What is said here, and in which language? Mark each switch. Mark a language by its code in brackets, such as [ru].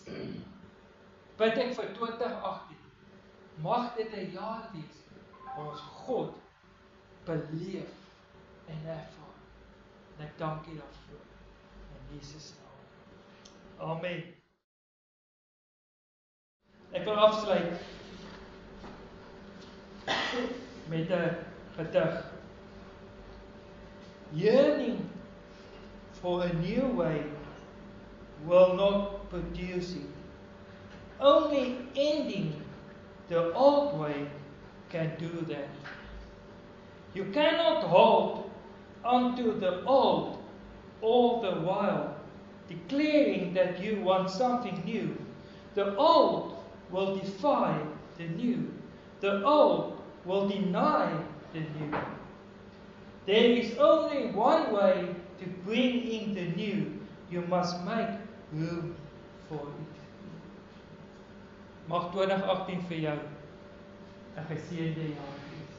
[af] Bid ek vir 2018, mag dit 'n jaar wees, ons God beleef en ervaar. En ek dankie daarvoor, in Jesus naam. Amen. Ek wil afsluit met 'n gedig. [en] Yearning for a new way will not produce it. Only ending the old way can do that. You cannot hold onto the old all the while, declaring that you want something new. The old will defy the new. The old will deny the new. There is only one way to bring in the new. You must make room for it. [af] Mag 2018 vir jou 'n geseënde jaar wees.